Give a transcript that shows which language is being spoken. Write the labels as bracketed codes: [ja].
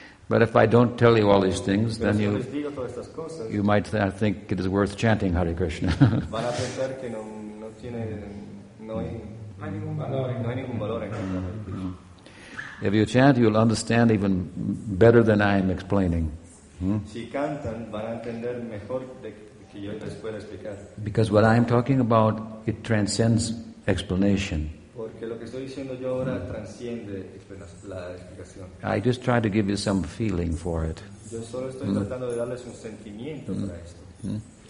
[en] But if I don't tell you all these things, [es] pero [en] then [es] si [en] you, [es] les digo todas estas cosas, [en] you might think it is worth chanting Hare Krishna. [es] Van a pensar que no hay ningún valor en cantar Hare Krishna. [en] If you chant, you'll understand even better than I am explaining. [es] Si cantan, van a entender mejor de que yo les pueda explicar. [en] Because what I'm talking about, it transcends explanation. [es] Porque lo que estoy diciendo yo ahora transciende la explicación. [en] I just try to give you some feeling for it. [es] Yo solo estoy tratando de darles un sentimiento para esto.